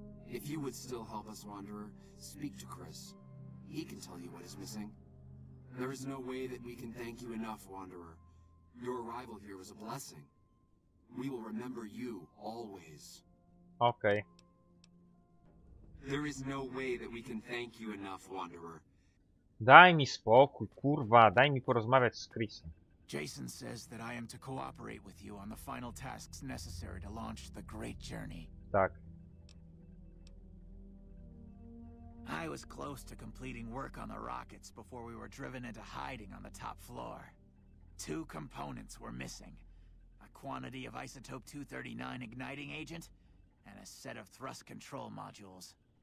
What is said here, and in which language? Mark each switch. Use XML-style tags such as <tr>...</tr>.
<en>If you would still help us, Wanderer, speak to Chris. He can tell you what is missing. There is no way that we can thank you enough, Wanderer. Your arrival here was a blessing. We will remember you always. Okay. There is no way that we can thank you enough, Wanderer.</en> <pl>Daj mi spokój, kurwa, daj mi porozmawiać z Chrisem.</pl> <en>Jason says that I am to cooperate with you on the final tasks necessary to launch the great journey.</en> <pl>Tak.</pl> <en>I was close to completing work on the rockets before we were driven into hiding on the top floor. Two components were missing. A quantity of isotope 239 igniting agent and a set of thrust control modules.</en>